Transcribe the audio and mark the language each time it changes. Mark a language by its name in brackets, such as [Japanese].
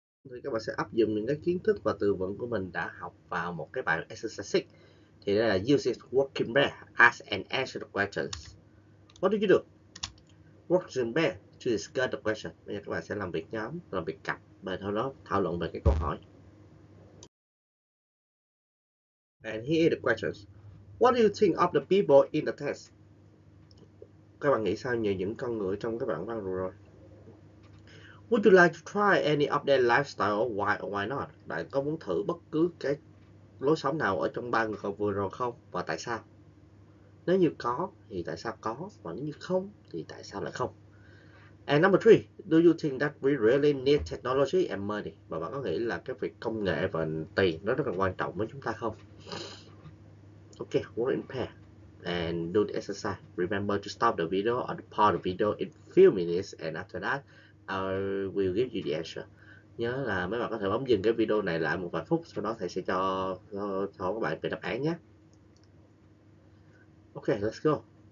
[Vietnamese] Thì các bạn sẽ áp dụng những cái kiến thức và từ vựng của mình đã học vào một cái bài exercise 6. Thì đây là [English] use it working bear, ask and answer the questions. What do you do? Working bear to discuss the question. [Vietnamese] Bây giờ các bạn sẽ làm việc nhóm, làm việc cặp và sau đó thảo luận về cái câu hỏi. [English] And here are the questions. What do you think of the people in the test? [Vietnamese] Các bạn nghĩ sao về những con người trong cái đoạn văn vừa rồi? [English] Would you like to try any of their lifestyle? Why or why not? [Vietnamese] Bạn có muốn thử bất cứ cái lối sống nào ở trong ba người còn vừa rồi không? Và tại sao? Nếu như có, thì tại sao có? Và nếu như không, thì tại sao lại không? [English] And number three, do you think that we really need technology and money? [Vietnamese] Và bạn có nghĩ là cái việc công nghệ và tiền nó rất là quan trọng với chúng ta không? [English] Ok, work in pair. And do the exercise. Remember to stop the video or pause the video in few minutes and after that, I will give you the answer. [Vietnamese] Nhớ là mấy bạn có thể bấm dừng cái video này lại một vài phút, sau đó thầy sẽ cho các bạn về đáp án nhé. [English] Ok, let's go.